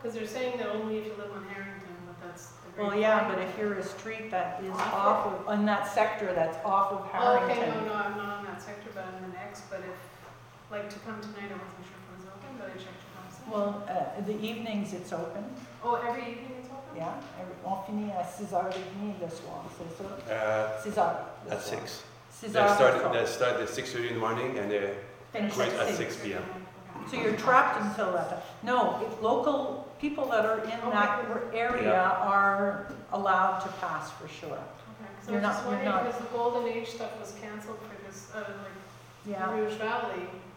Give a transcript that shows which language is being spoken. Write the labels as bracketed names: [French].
[English] Because they're saying that only if you live on Harrington, but that's... Well, yeah, but if you're a street that is off of, in that sector, that's off of Harrington. Okay, no, I'm not on that sector, but I'm the next. But if, like, to come tonight, I wasn't sure if it was open, but I checked your website. Well, the evenings it's open. Oh, every evening it's open? [French] Yeah, on finit à 6 heures de nuit le soir, c'est ça? 6 heures. [English] At 6. [French] 6 heures. [English] They start at 6 in the morning and they quit at 6 p.m. Okay. So you're trapped until that time. No, if local people that are in that area are allowed to pass for sure. Okay, so I'm just wondering because the Golden Age stuff was canceled for this, Rouge Valley.